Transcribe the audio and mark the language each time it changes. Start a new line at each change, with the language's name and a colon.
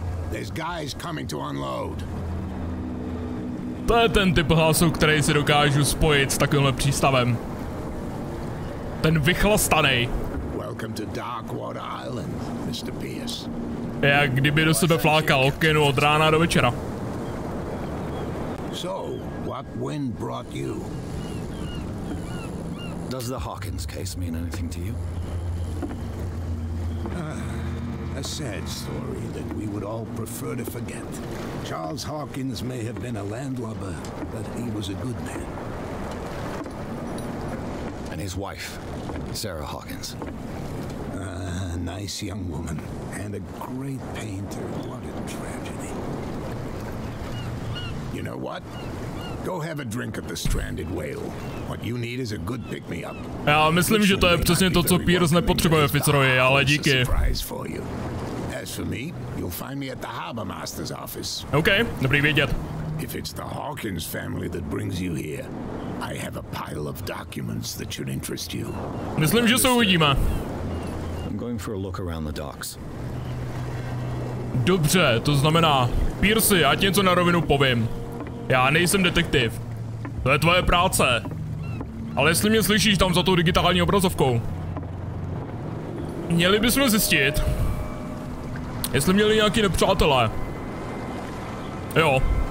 English: There's guys coming to unload.
Czech: To je ten typ hlasu, který si dokážu spojit s takovýmhle přístavem. Ten vychlastanej.
English: Welcome to Darkwater Island, Mr. Pearce.
Czech: Jak kdyby do sebe flákal okenu od rána do večera.
English: So, what wind brought you? Does the Hawkins case mean anything to you? A sad story that we would all prefer to forget. Charles Hawkins may have been a landlubber, but he was a good man. And his wife, Sarah Hawkins. Nice young woman and a great painter. What a tragedy. You know what? Go have a drink of the stranded whale. What you need is a good pick-me-up.
Czech: Já myslím, že to je přesně to, co Pearce nepotřebuje, Fitzroy, ale díky.
English: As for me, you'll find me at the harbor master's office.
Czech: Okay, dobrý vědět.
English: If it's the Hawkins family that brings you here, I have a pile of documents that should interest you.
Czech: Myslím, že se uvidíme.
English: I'm going for a look around the docks.
Czech: Dobře, to znamená, Pearce, já ti něco na rovinu povím. Já nejsem detektiv. To je tvoje práce. Ale jestli mě slyšíš tam za tou digitální obrazovkou. Měli bychom zjistit, jestli měli nějaký nepřátelé. Jo.